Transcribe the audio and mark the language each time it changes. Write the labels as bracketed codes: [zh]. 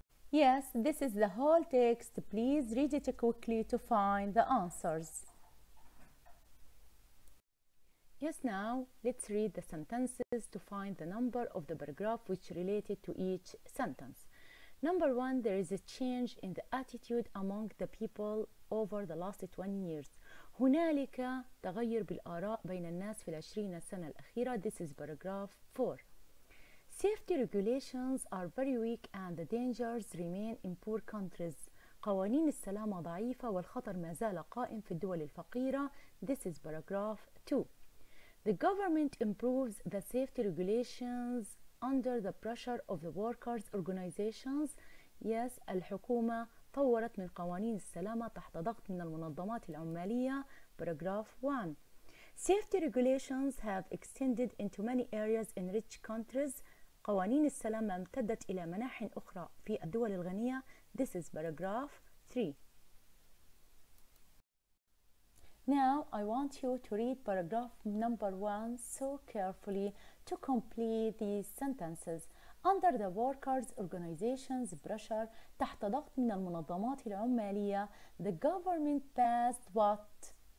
[en] Yes, this is the whole text. Please read it quickly to find the answers. Yes, now let's read the sentences to find the number of the paragraph which related to each sentence. Number 1, there is a change in the attitude among the people over the last 20 years. [ar] هنالك تغير بالآراء بين الناس في العشرين سنة الأخيرة. [en] This is paragraph 4. Safety regulations are very weak and the dangers remain in poor countries. [ar] قوانين السلامة ضعيفة والخطر ما زال قائم في الدول الفقيرة. [en] This is paragraph 2. The government improves the safety regulations under the pressure of the workers' organizations. [ar] Yes, الحكومة طورت من قوانين السلامة تحت ضغط من المنظمات العمالية. [en] Paragraph 1. Safety regulations have extended into many areas in rich countries. [ar] قوانين السلامة امتدت إلى مناح أخرى في الدول الغنية. [en] This is paragraph 3. Now I want you to read paragraph number 1 so carefully to complete these sentences. Under the workers' organization's pressure, [ar] تحت ضغط من المنظمات العمالية, [en] the government passed what?